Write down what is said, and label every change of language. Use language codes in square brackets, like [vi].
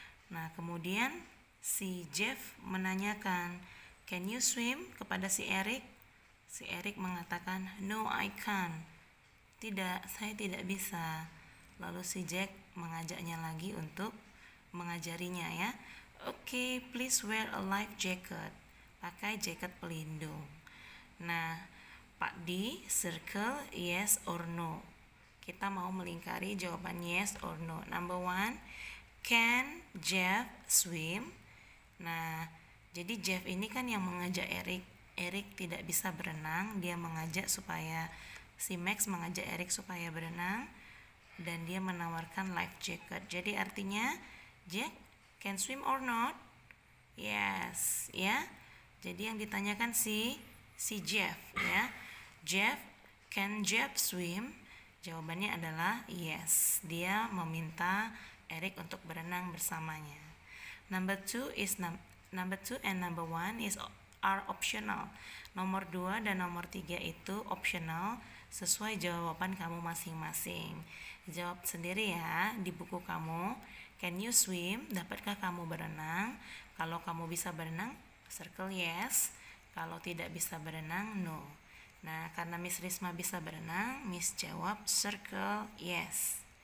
[id] Nah, kemudian si Jeff menanyakan, [en] can you swim, [id] kepada si Eric? Si Eric mengatakan, [en] no, I can't. [id] Tidak, saya tidak bisa. Lalu si Jack mengajaknya lagi untuk mengajarinya, ya. [en] Okay, please wear a life jacket. [id] Pakai jaket pelindung. Nah, Pak D, [en] circle yes or no. [id] Kita mau melingkari jawaban [en] yes or no. Number 1, can Jeff swim? [id] Nah, jadi Jeff ini kan yang mengajak Eric. Eric tidak bisa berenang, dia mengajak supaya si Max mengajak Eric supaya berenang dan dia menawarkan life jacket. Jadi artinya [en] Jack can swim or not? Yes, ya. [id] Jadi yang ditanyakan si Jeff, ya. Jeff, [en] can Jeff swim? [id] Jawabannya adalah yes. Dia meminta Eric untuk berenang bersamanya. [en] Number 2 is number 1 is are optional. [id] Nomor 2 dan nomor 3 itu optional sesuai jawaban kamu masing-masing. Jawab sendiri ya di buku kamu. [en] Can you swim? [id] Dapatkah kamu berenang? Kalau kamu bisa berenang, [en] circle yes. [id] Kalau tidak bisa berenang, no. Nah, karena Miss Risma bisa berenang, Miss jawab [en] circle yes.